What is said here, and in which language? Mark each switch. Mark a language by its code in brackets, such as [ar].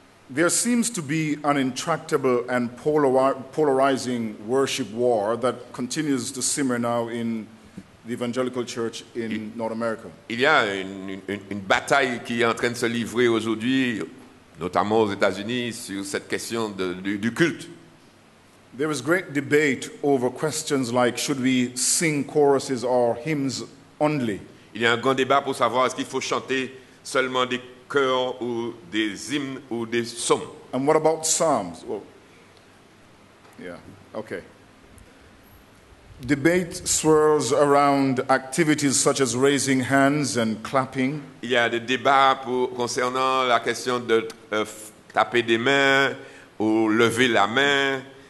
[en] There seems to be an intractable and polarizing worship war that continues to simmer now in the evangelical church in North America. [fr] Il y a une bataille qui est en train de se livrer aujourd'hui, notamment aux États-Unis, sur cette question du culte. [en] There is great debate over questions like, should we sing choruses or hymns only? [fr] Il y a un grand débat pour savoir est-ce qu'il faut chanter seulement des chœurs ou des hymnes ou des psaumes. [en] And what about psalms? Well, yeah, okay. Debate swirls around activities such as raising hands and clapping. [fr] Il y a des débats concernant la question de taper des mains ou lever la main.